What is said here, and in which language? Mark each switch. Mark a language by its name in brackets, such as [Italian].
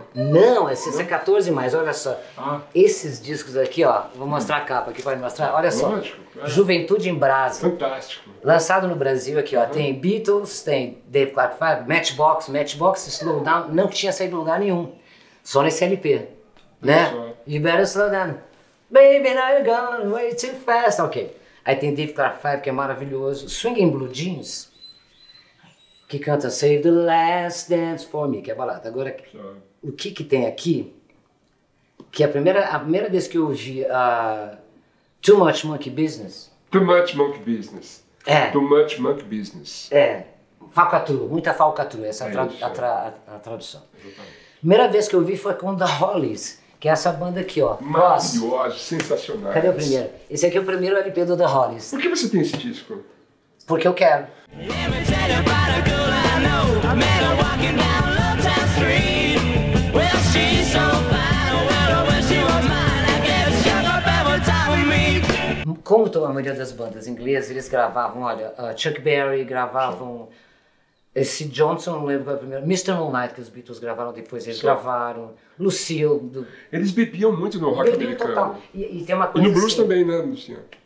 [Portuguese] Não, esse é 14 mais. Olha só. Ah. Esses discos aqui, ó. Vou mostrar a capa aqui, pode mostrar? Olha só. Lógico. É. Juventude em Brasa. Fantástico. Lançado no Brasil aqui, ó. Uhum. Tem Beatles, tem Dave Clark 5, Matchbox. Matchbox, Slow Down, não tinha saído em lugar nenhum. Só nesse LP, é, né? Só. [English] You better slow down. Baby, now you're gone way too fast. [Portuguese] Ok. Aí tem Dave Clark 5, que é maravilhoso. Swinging Blue Jeans, que canta Save the Last Dance for Me, que é balada. Agora, o que que tem aqui, que é a primeira vez que eu ouvi Too Much Monkey Business. Too Much Monkey Business. É. Too Much Monkey Business. É. Falcatrua, muita falcatrua, essa a tradução. Exatamente. Primeira vez que eu vi foi com The Hollies, que é essa banda aqui, ó. Maravilhoso, sensacional. Cadê o primeiro? Esse aqui é o primeiro LP do The Hollies. Por que você tem esse disco? Porque eu quero. [English] Never tell you about a girl I know. I met her walking down Love Town Street. Well, she's so fine. Well, I wish she was mine. I guess she'll go back on top of me. [Portuguese] Como a maioria das bandas inglesas, eles gravavam, olha, Chuck Berry gravavam. Esse Johnson, não lembro qual é o primeiro. Mr. Moonlight, que os Beatles gravaram depois, eles gravaram. Lucille. Eles bebiam muito no rock americano. Total. E tem uma coisa. E no blues assim, também, né, Lucinha?